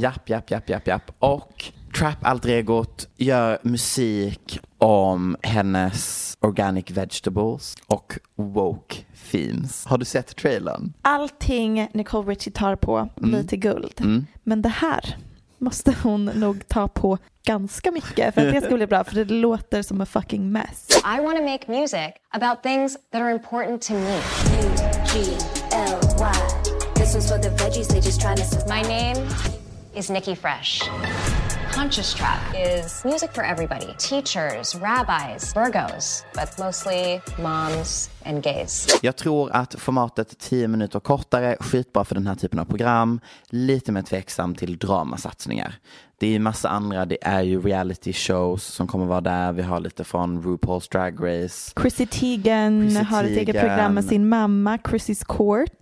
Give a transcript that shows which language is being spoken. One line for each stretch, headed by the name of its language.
Swedish: Japp. Och trap alter egot gör musik om hennes organic vegetables och woke themes. Har du sett trailern? Allting Nicole Richie tar på lite guld. Mm. Men det här måste hon nog ta på ganska mycket för att det ska bli bra, för det låter som a fucking mess.
English: I want to make music about things that are important to me. U-G-L-Y. This one's for the veggies, they just trying to survive. My name is Nikki Fresh. Conscious Trap is music for everybody. Teachers, rabbis, Virgos, but mostly moms and gays.
Swedish: Jag tror att formatet 10 minuter kortare, skitbra för den här typen av program. Lite mer tveksam till dramasatsningar. Det är ju massa andra, det är ju reality shows som kommer vara där. Vi har lite från RuPaul's Drag Race. Chrissy Teigen har ett eget program med sin mamma, Chrissy's Court.